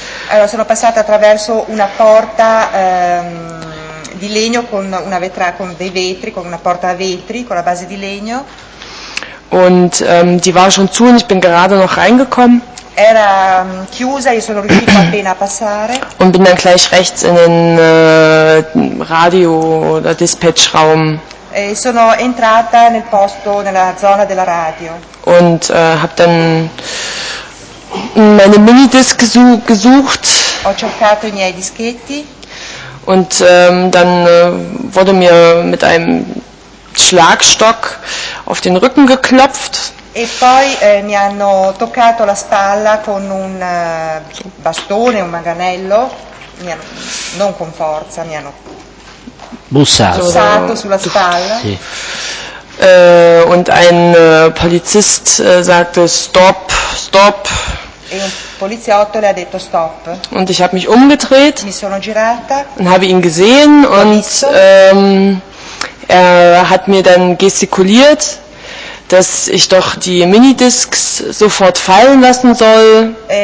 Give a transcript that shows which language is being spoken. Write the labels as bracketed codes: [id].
[it] Allora sono passata attraverso una porta di legno con una vetra con dei vetri, con una porta a vetri con la base di legno. [de] Und die war schon zu und ich bin gerade noch reingekommen. [it] Era chiusa, io sono riuscito appena a passare. [de] Und bin dann gleich rechts in den Radio- oder Dispatch-Raum. [it] E sono entrata nel posto, nella zona della radio. [de] Und habe dann meine Minidisc gesucht. [it] Ho cercato i miei dischetti. [de] Und dann wurde mir mit einem Schlagstock auf den Rücken geklopft. [it] E poi mi hanno toccato la spalla con un bastone, un manganello, non con forza, mi hanno bussato sulla spalla. Sì. [de] Und ein Polizist sagte stop, stop. [it] E un poliziotto le ha detto stop. [de] Und ich habe mich umgedreht. [it] Mi sono girata. [de] Und habe ihn gesehen und Er hat mir dann gestikuliert, dass ich doch die Minidiscs sofort fallen lassen soll.